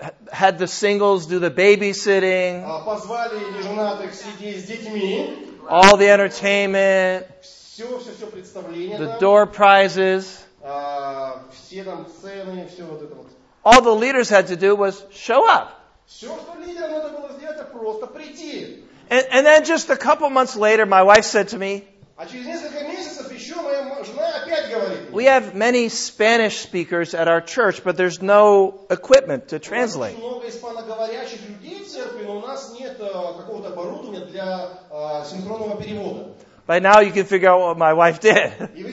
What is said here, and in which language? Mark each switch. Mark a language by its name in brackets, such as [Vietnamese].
[English] Had the singles do the babysitting. [Russian] Позвали неженатых сидеть с детьми. [English] All the entertainment. [Russian] Все все представление. [English] The door prizes. [Russian] Все там цены, все вот это вот. [English] All the leaders had to do was show up. [Russian] Все, что лидерам надо было сделать, это просто прийти. [English] And then just a couple months later, my wife said to me, [Russian] а через несколько месяцев еще моя жена опять говорит мне, [English] we have many Spanish speakers at our church, but there's no equipment to translate. [Russian] У нас много испаноговорящих людей в церкви, но у нас нет какого-то оборудования для синхронного перевода. [English] By now you can figure out what my wife did.